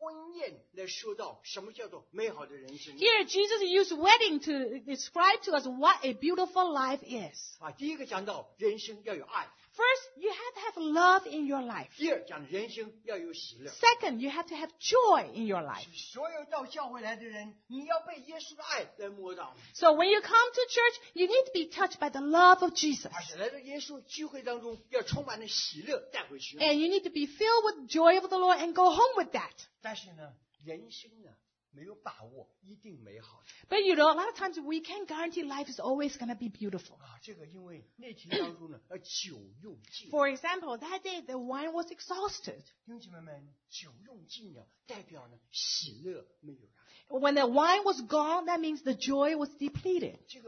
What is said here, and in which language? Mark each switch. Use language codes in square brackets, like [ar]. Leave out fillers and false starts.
[zh] 所以讲到一个美好的人生呢，用婚宴来说到什么叫做美好的人生。 [en] Here Jesus used wedding to describe to us what a beautiful life is. [zh] 啊，第一个讲到人生要有爱。 [en] First, you have to have love in your life. [zh] 第二，讲人生要有喜乐。 [en] Second, you have to have joy in your life. [zh] 所有到教会来的人，你要被耶稣的爱来摸到。 [en] So when you come to church, you need to be touched by the love of Jesus. [zh] 而且来到耶稣聚会当中，要充满了喜乐带回去。 [en] And you need to be filled with joy of the Lord and go home with that. [zh] 但是呢，人生呢，没有把握，一定美好。 [en] But you know, a lot of times we can't guarantee life is always going to be beautiful. [zh] 啊，这个因为那天当中呢，酒用尽。 [en] For example, that day the wine was exhausted. [zh] 弟兄姐妹们，酒用尽了，代表呢，喜乐没有了。 [en] When the wine was gone, that means the joy was depleted.